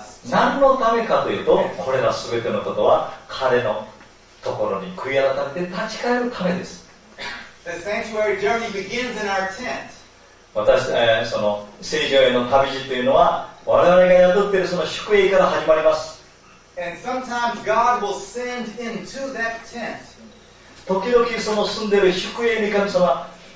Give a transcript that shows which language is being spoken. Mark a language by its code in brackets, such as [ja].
[ja] 何のためかというと、これら全てのことは彼のところに悔い改めて立ち返るためです。 [en] The sanctuary journey begins in our tent. [ja] 私、その聖所への旅路というのは我々が宿っているその宿営から始まります。 [en] And sometimes God will send into that tent. [ja] 時々その住んでいる宿営に神様は